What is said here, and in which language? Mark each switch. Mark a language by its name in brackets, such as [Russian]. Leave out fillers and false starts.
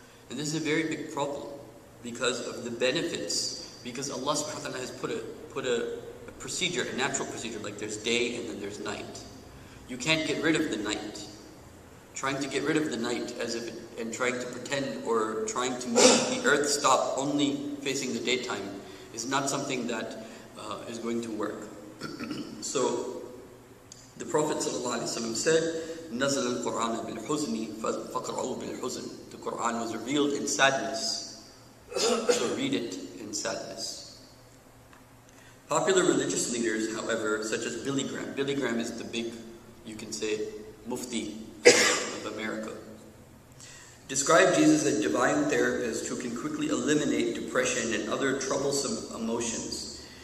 [English] And this is a very big problem because of the benefits, because Allah subhanahu wa ta'ala has put a procedure, a natural procedure, like there's day and then there's night. You can't get rid of the night. Trying to get rid of the night as if it, and trying to pretend or trying to make the earth stop only facing the daytime is not something that is going to work. So the Prophet ﷺ said, [Arabic] نزل القرآن بالحزن فقرأوا بالحزن. [English] The Quran was revealed in sadness. So read it in sadness. Popular religious leaders, however, such as Billy Graham. Billy Graham is the big, you can say, Mufti of America. Describe Jesus as a divine therapist who can quickly eliminate depression and other troublesome emotions.